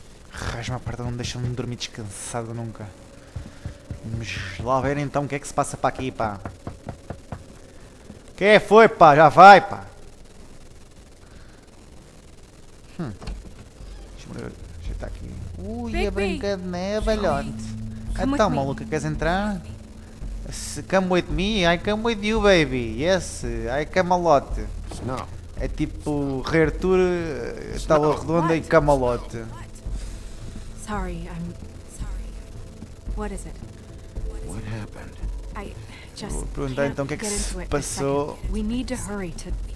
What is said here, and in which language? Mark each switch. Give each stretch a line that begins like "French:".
Portuguese: Rasma a porta, não deixa-me dormir descansado nunca. Vamos lá ver então o que é que se passa para aqui, pá. Quem foi, pá? Já vai, pá! Deixa eu estar aqui. Ui, a Branca de Neve, olhante! Então, maluca, queres entrar?
English: Come with me, I come with you, baby! Yes, I come a lot!
Portuguese: É tipo Rei Arthur, Tábua Redonda e
English: come a lot! Sorry, I'm sorry. What is it? What happened?
Portuguese: Vou perguntar então o que é que se passou.
English: We need to hurry to...